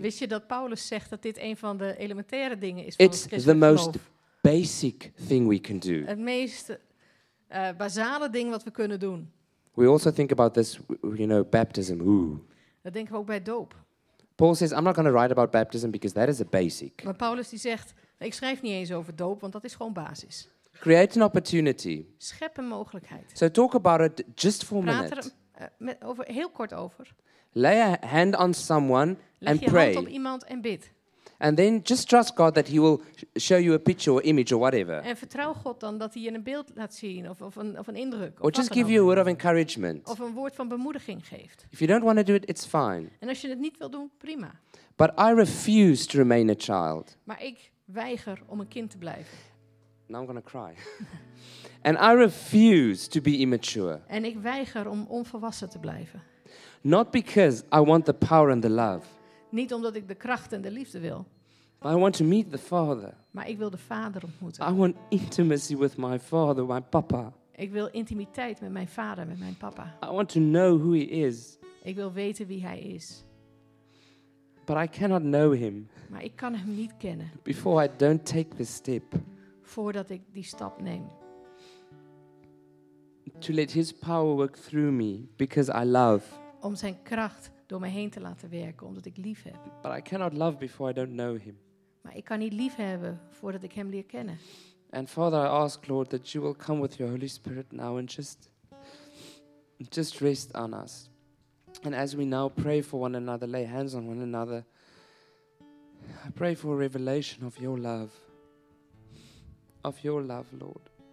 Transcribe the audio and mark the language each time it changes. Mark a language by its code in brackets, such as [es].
[nl] Wist je dat Paulus zegt dat dit een van de elementaire dingen is van het christelijk geloof? [en] It's the most basic thing we can do. [nl] Het meest basale ding wat we kunnen doen. [en] We also think about this, you know, baptism. Ooh. [nl] Dat denken we ook bij doop. [en] Paul says, I'm not going to write about baptism because that is a basic. [nl] Maar Paulus die zegt, ik schrijf niet eens over doop, want dat is gewoon basis. [en] Create an opportunity. [nl] Schep een mogelijkheid. [en] So talk about it just for a minute. [nl] Praat er heel kort over. [en] Lay a hand on someone and pray. [nl] Leg je hand op iemand en bid. [en] And then just trust God that he will show you a picture or image or whatever. [nl] En vertrouw God dan dat hij je een beeld laat zien of een indruk. [en] Or just give you a word of encouragement. [nl] Of een woord van bemoediging geeft. [en] If you don't want to do it, it's fine. [nl] En als je het niet wil doen, prima. [en] But I refuse to remain a child. [nl] Maar ik weiger om een kind te blijven. [en] Now I'm gonna cry. And I refuse to be immature. [nl] En ik weiger om onvolwassen te blijven. [en] Not because I want the power and the love. [nl] Niet omdat ik de kracht en de liefde wil. [en] But I want to meet the Father. [nl] Maar ik wil de Vader ontmoeten. [en] I want intimacy with my Father, my Papa. [nl] Ik wil intimiteit met mijn Vader, met mijn Papa. [en] I want to know who He is. [nl] Ik wil weten wie Hij is. [en] But I cannot know Him. [nl] Maar ik kan Hem niet kennen. [en] Before I don't take this step. [nl] Voordat ik die stap neem. [en] To let His power work through me, because I love. [nl] Om zijn kracht door me heen te laten werken, omdat ik lief heb. [en] But I cannot love before I don't know Him. [nl] Maar ik kan niet lief hebben voordat ik Hem leer kennen. [en] And Father, I ask, Lord, that You will come with Your Holy Spirit now and just rest on us. And as we now pray for one another, lay hands on one another, I pray for a revelation of Your love. Of Your love, Lord.